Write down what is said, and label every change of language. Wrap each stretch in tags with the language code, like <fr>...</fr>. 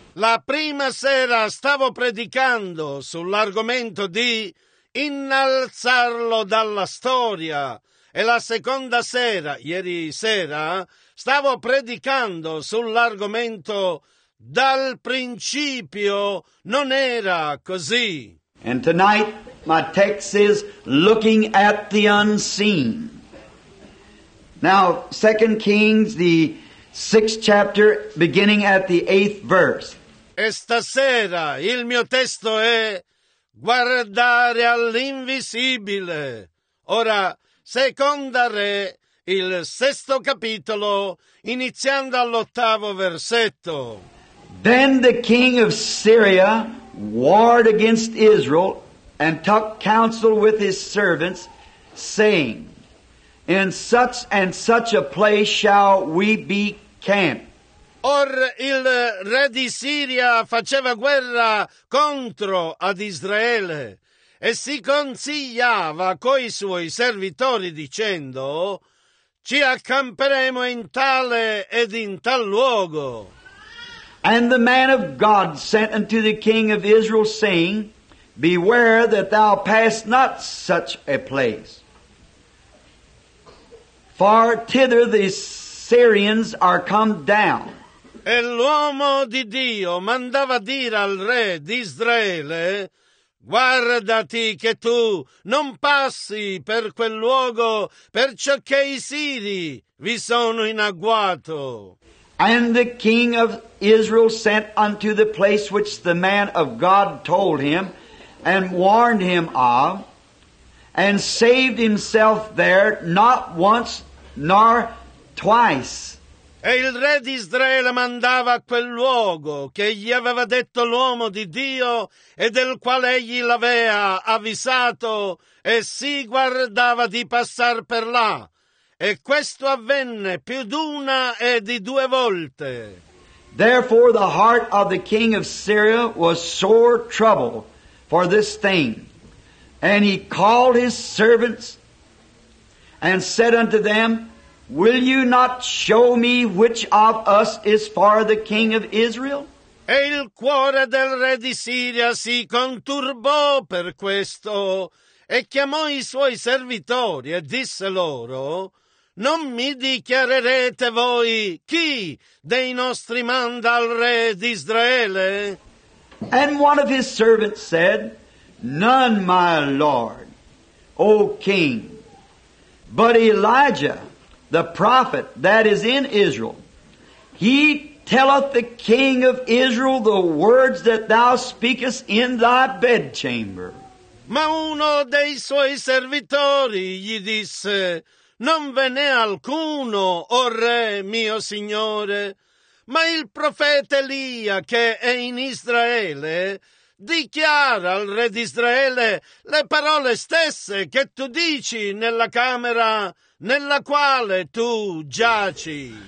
<it>La prima sera stavo predicando sull'argomento di innalzarlo dalla storia. E la seconda sera, ieri sera, stavo predicando sull'argomento dal principio non era così.</it> <en>And tonight my text is Looking at the Unseen. Now, 2 Kings, the 6th chapter, beginning at the 8th verse.</en> <it>E stasera il mio testo è Guardare all'invisibile. Ora, Seconda Re, il 6º capitolo, iniziando all'8º versetto.</it> <en>Then the king of Syria warred against Israel and took counsel with his servants, saying, In such and such a place shall we be camped.</en> <it>Or il re di Siria faceva guerra contro ad Israele e si consigliava coi suoi servitori dicendo: ci accamperemo in tale ed in tal luogo.</it> <en>And the man of God sent unto the king of Israel, saying, beware that thou pass not such a place. For thither the Syrians are come down.</en> <it>E l'uomo di Dio mandava dire al re d'Israele, guardati che tu non passi per quel luogo, perciò che i Siri vi sono in agguato.</it> <en>And the king of Israel sent unto the place which the man of God told him and warned him of, and saved himself there not once nor twice.</en> <it>E il re di Israele mandava a quel luogo che gli aveva detto l'uomo di Dio e del quale egli l'aveva avvisato, e si guardava di passar per là. E questo avvenne più d'una e di due volte.</it> <en>Therefore the heart of the king of Syria was sore troubled for this thing. And he called his servants and said unto them, will you not show me which of us is for the king of Israel?</en> <it>E il cuore del re di Siria si conturbò per questo, e chiamò i suoi servitori e disse loro, non mi dichiarerete voi chi dei nostri manda al re di Israele?</it> <en>And one of his servants said, none, my lord, O king, but Elijah, the prophet that is in Israel. He telleth the king of Israel the words that thou speakest in thy bedchamber.</en> <it>Ma uno dei suoi servitori gli disse, non ve n'è alcuno, o re mio signore, ma il profeta Elia, che è in Israele, dichiara al re d'Israele le parole stesse che tu dici nella camera nella quale tu giaci.</it>